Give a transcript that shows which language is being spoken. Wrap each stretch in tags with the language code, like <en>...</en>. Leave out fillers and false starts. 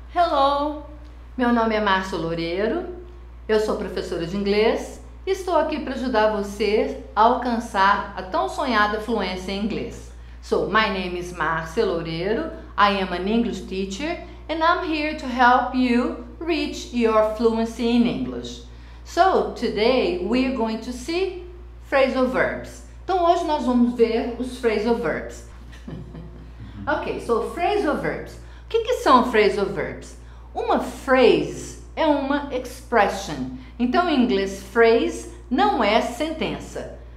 <pt>Hello, meu nome é Márcio Loureiro, eu sou professora de inglês e estou aqui para ajudar você a alcançar a tão sonhada fluência em inglês.</pt> <en>So, my name is Márcio Loureiro, I am an English teacher and I'm here to help you reach your fluency in English. So, today we are going to see phrasal verbs.</en> <pt>Então, hoje nós vamos ver os phrasal verbs. Okay, so phrasal verbs. O que são phrasal verbs? Uma phrase é uma expression. Então, em inglês, phrase não é sentença.</pt>